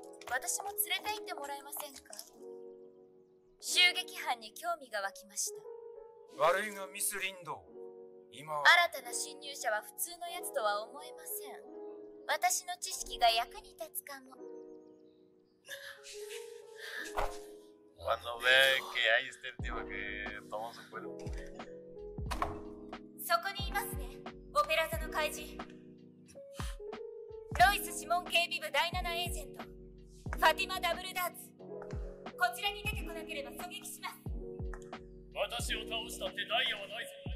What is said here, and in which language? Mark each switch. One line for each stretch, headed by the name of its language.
Japanese: 私も連れて行ってもらえませんか？襲撃犯に興味が湧きました。悪いがミス・リンドウ、今は新たな侵入者は普通のやつとは思えません。私の知識が役に立つかも。
Spanish: Cuando ve que hay este tipo que toma su cuerpo.
Japanese: そこにいますね、オペラ座の怪人。ロイス指紋警備部第7エージェント、ファティマ・ダブルダーツ。こちらに出てこなければ狙撃します。私を倒したってダイヤはないぞ。